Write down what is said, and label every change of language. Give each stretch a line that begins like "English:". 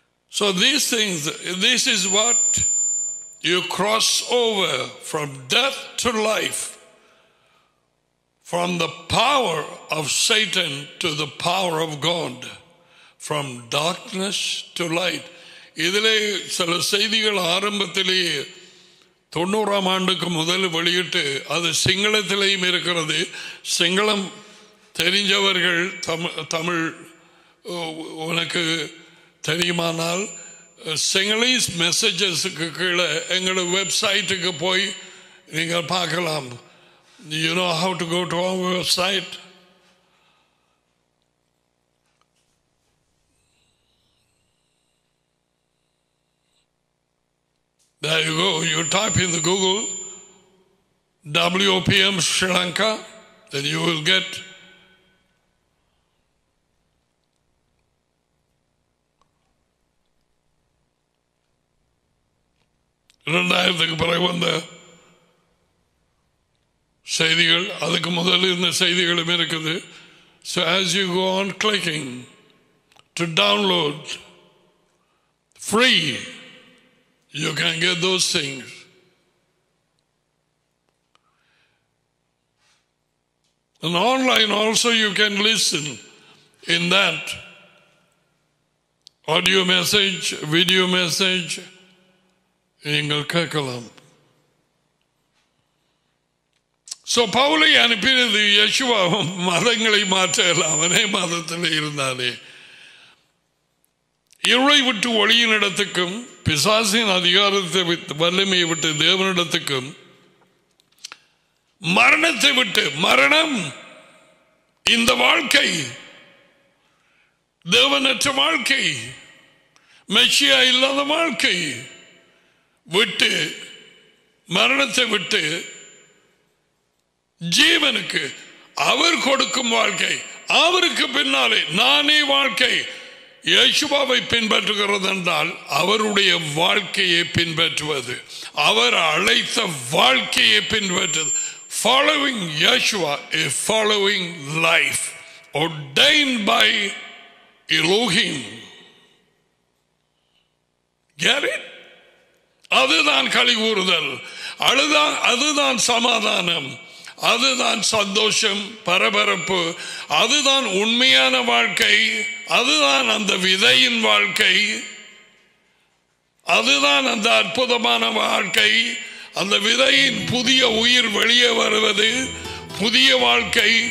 English: So these things, this is what you cross over from death to life, from the power of Satan to the power of God, from darkness to light.
Tamil: இதிலே சில செய்திகள் ஆரம்பத்திலேயே 90 ஆண்டுக்கு முதல் வெளியிட்டு அது சிங்களத்திலேயும் இருக்கிறது. சிங்களம் தெரிஞ்சவர்கள் தமிழ் உனக்கு தெரியுமானால் சிங்களீஸ் மெசேஜஸுக்கு கீழே எங்களோட வெப்சைட்டுக்கு போய் நீங்கள் பார்க்கலாம்.
English: You know how to go to our website. There you go, you type in the Google WOPM Sri Lanka, then you will get.
Tamil: இரண்டாயிரத்துக்கு பிறகு வந்த செய்திகள், அதுக்கு முதல் இருந்த செய்திகளும் இருக்குது.
English: So as you go on clicking to download free, you can get those things. And online also you can listen in that.
Tamil: Audio message, video message நீங்கள் கேட்கலாம். சோ பவுலை அனுப்பியது யேசுவாவும் மதங்களை மாற்றலாம், அவனே மதத்தில் இருந்தாலே. இருளை விட்டு ஒளியின் இடத்துக்கும், பிசாசின் அதிகாரத்தை வல்லமையை விட்டு தேவனிடத்துக்கும், மரணத்தை விட்டு, மரணம் இந்த வாழ்க்கை, தேவனற்ற வாழ்க்கை, மெஷியா இல்லாத வாழ்க்கை விட்டு, மரணத்தை விட்டு ஜீவனுக்கு அவர் கொடுக்கும் வாழ்க்கை, அவருக்கு பின்னாலே நானே வாழ்க்கை. யேசுவாவை பின்பற்றுகிறது என்றால் அவருடைய வாழ்க்கையை பின்பற்றுவது, அவர் அழைத்த வாழ்க்கையை பின்பற்றுவது.
English: Following Yeshua is following life ordained by Elohim. Get it?
Tamil: அதுதான் களி கூறுதல், அதுதான் சமாதானம், அதுதான் சந்தோஷம், பரபரப்பு, அதுதான் உண்மையான வாழ்க்கை, அதுதான் அந்த விதையின் வாழ்க்கை, அதுதான் அந்த அற்புதமான வாழ்க்கை, அந்த விதையின் புதிய உயிர் வெளியே வருவது, புதிய வாழ்க்கை.